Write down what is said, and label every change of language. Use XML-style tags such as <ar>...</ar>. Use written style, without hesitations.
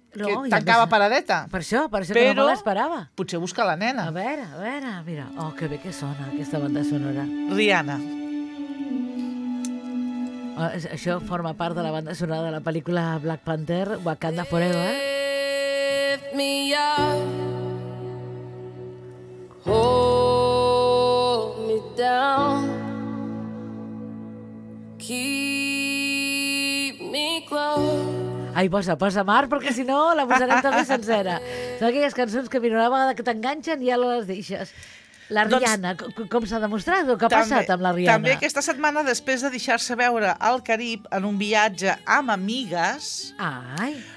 <ca>no, que tancava ja paradeta. Per això però, que no me l'esperava. Potser busca la nena. A veure, mira. Oh, que bé que sona aquesta banda sonora. Rihanna. Això forma part de la banda sonora de la pel·lícula Black Panther, Wakanda Forever.</ca> <en>Lift me up, hold me down, keep me close.</en> <ca>Ai, posa Mar, perquè si no la posarem també sencera. Són aquelles cançons que una vegada que t'enganxen ja les deixes. La Rihanna, doncs, com s'ha demostrat? Què ha passat amb la Rihanna? També aquesta setmana, després de deixar-se veure al Carib en un viatge amb amigues, ai,</ca>